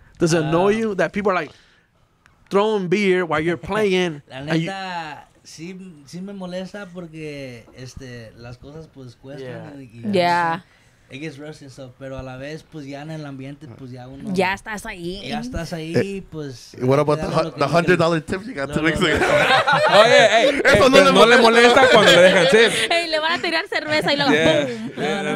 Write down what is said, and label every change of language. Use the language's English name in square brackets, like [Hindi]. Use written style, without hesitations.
[English] Does it annoy you that people are like throwing beer while you're playing? [Spanish] La neta, sí me molesta porque las cosas pues cuestan. [English] Yeah. It gets rusty and stuff, [Spanish] pero a la vez, pues ya en el ambiente, pues ya uno... Ya estás ahí, pues... [English] What about the $100 tip you got to make sense? Oh, yeah, hey. [Spanish] Eso no le molesta cuando le dejan tip. Hey, le van a tirar cerveza y luego